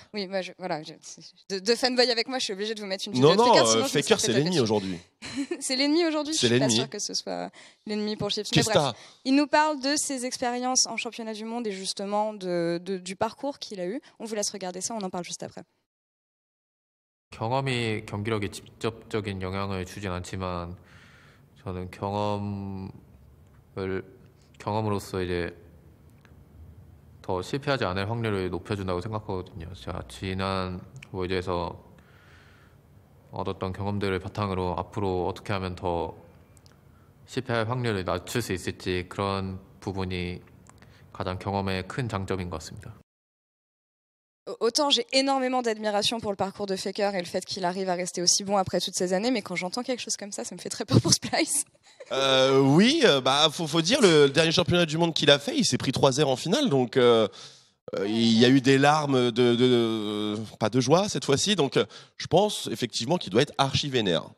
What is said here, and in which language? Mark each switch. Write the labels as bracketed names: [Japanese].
[French] Oui, de fanboy avec moi, je suis obligée de vous mettre une vidéo de Faker. Non, Faker, c'est l'ennemi aujourd'hui. C'est l'ennemi aujourd'hui. C'est l'ennemi. Je suis pas sûre que ce soit l'ennemi pour Chips. Mais bref, il nous parle de ses expériences en championnat du monde et justement du parcours qu'il a eu. On vous laisse regarder ça, on en parle juste après. [Korean] 경험이 경기력에 직접적인 영향을 주진 않지만 저는 경험으로서 이제 더 실패하지 않을 확률을 높여준다고 생각하거든요. 제가 지난 월드에서 얻었던 경험들을 바탕으로 앞으로 어떻게 하면 더 실패할 확률을 낮출 수 있을지 그런 부분이 가장 경험의 큰 장점인 것 같습니다. [French] Autant j'ai énormément d'admiration pour le parcours de Faker et le fait qu'il arrive à rester aussi bon après toutes ces années, mais quand j'entends quelque chose comme ça, ça me fait très peur pour Splice. Oui, faut dire, le dernier championnat du monde qu'il a fait, il s'est pris 3-0 en finale, donc il y a eu des larmes pas de joie cette fois-ci, donc je pense effectivement qu'il doit être archi vénère.